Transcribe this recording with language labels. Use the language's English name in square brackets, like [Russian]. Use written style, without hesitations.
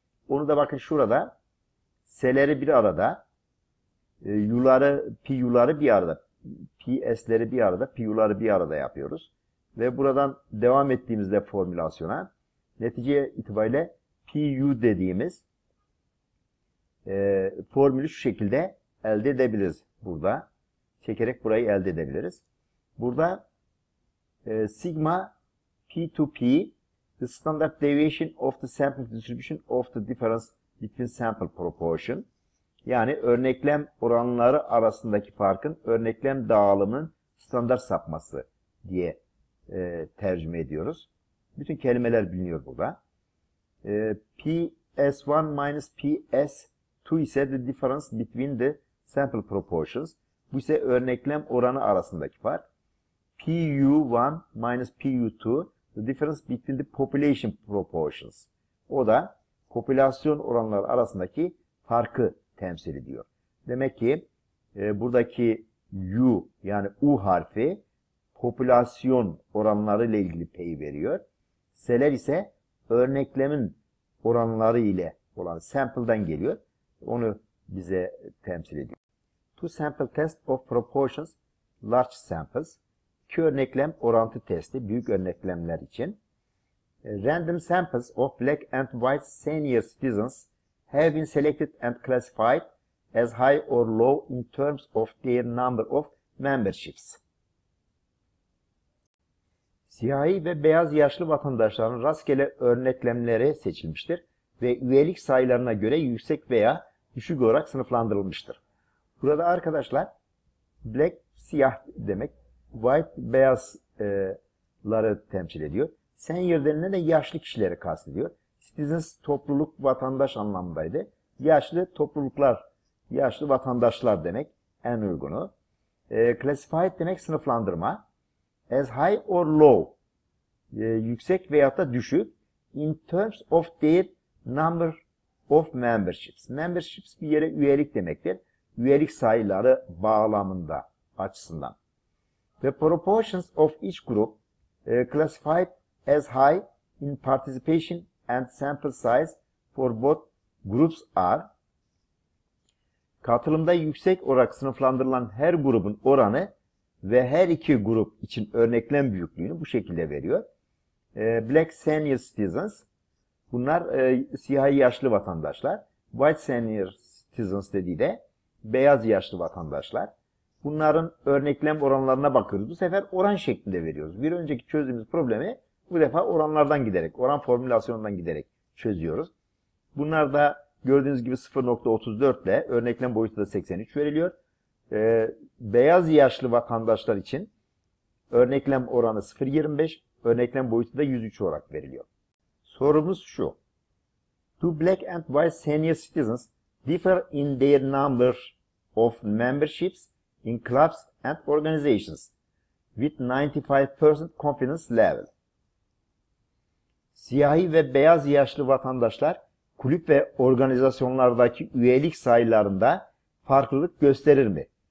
[Turkish] Onu da bakın şurada s'leri bir arada, u'ları, p'ları bir arada, ps'leri bir arada, p'ları bir arada yapıyoruz. Ve buradan devam ettiğimizde formülasyona netice itibariyle pu dediğimiz formülü şu şekilde elde edebiliriz burada. Çekerek burayı elde edebiliriz. [English] Burada sigma p2p the standard deviation of the sample distribution of the difference between sample proportion. [Turkish] Yani örneklem oranları arasındaki farkın örneklem dağılımının standart sapması diye tercüme ediyoruz. Bütün kelimeler biliniyor burada. [English] PS1 minus PS2 2 ise the difference between the sample proportions. [Turkish] Bu ise örneklem oranı arasındaki fark. [English] PU1 minus PU2, the difference between the population proportions. [Turkish] O da popülasyon oranları arasındaki farkı temsil ediyor. Demek ki buradaki U, yani U harfi popülasyon oranları ile ilgili pay veriyor. Seler ise örneklemin oranları ile olan sample'dan geliyor. Onu bize temsil ediyor. [English] Two sample test of proportions, large samples. [Turkish] İki örneklem orantı testi, büyük örneklemler için. [English] Random samples of black and white senior citizens have been selected and classified as high or low in terms of their number of memberships. [Turkish] Siyahi ve beyaz yaşlı vatandaşların rastgele örneklemleri seçilmiştir ve üyelik sayılarına göre yüksek veya düşük olarak sınıflandırılmıştır. Burada arkadaşlar black siyah demek, white beyazları temsil ediyor. Senior denilen de yaşlı kişileri kastediyor. Citizens topluluk vatandaş anlamındaydı. Yaşlı topluluklar, yaşlı vatandaşlar demek en uygunu. Classified demek sınıflandırma. [English] As high or low, [Turkish] yüksek veyahut da düşük. [English] In terms of their number of memberships. [Turkish] Memberships bir yere üyelik demektir. Üyelik sayıları bağlamında açısından. [English] The proportions of each group classified as high in participation and sample size for both groups are. [Turkish] Katılımda yüksek olarak sınıflandırılan her grubun oranı ve her iki grup için örneklem büyüklüğünü bu şekilde veriyor. [English] Black senior citizens, [Turkish] bunlar siyah yaşlı vatandaşlar. [English] White senior citizens [Turkish] dediği de beyaz yaşlı vatandaşlar. Bunların örneklem oranlarına bakıyoruz. Bu sefer oran şeklinde veriyoruz. Bir önceki çözdüğümüz problemi bu defa oranlardan giderek, oran formülasyonundan giderek çözüyoruz. Bunlar da gördüğünüz gibi 0.34 ile örneklem boyutu da 83 veriliyor. Beyaz yaşlı vatandaşlar için örneklem oranı 0.25, örneklem boyutu da 103 olarak veriliyor. Sorumuz şu. [English] Do black and white senior citizens differ in their number of memberships in clubs and organizations with 95% confidence level? [Turkish] Siyahi ve beyaz yaşlı vatandaşlar kulüp ve organizasyonlardaki üyelik sayılarında farklılık gösterir mi?